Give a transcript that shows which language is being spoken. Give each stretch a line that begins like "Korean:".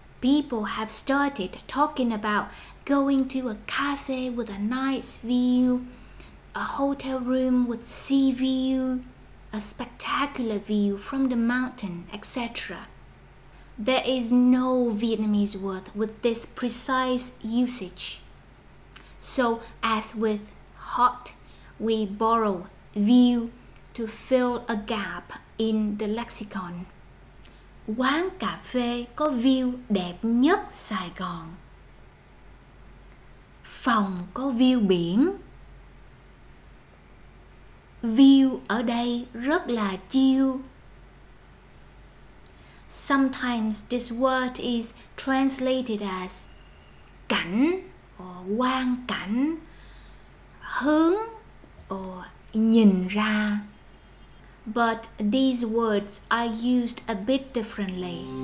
English: People have started talking about going to a cafe with a nice view, a hotel room with sea view, a spectacular view from the mountain, etc. There is no Vietnamese word with this precise usage. So as with hot, we borrow view to fill a gap in the lexicon.
Vietnamese: Quán cà phê có view đẹp nhất Sài Gòn. Phòng có view biển. View ở đây rất là chill.
English: Sometimes this word is translated as cảnh or quang cảnh, hướng or nhìn ra. But these words are used a bit differently.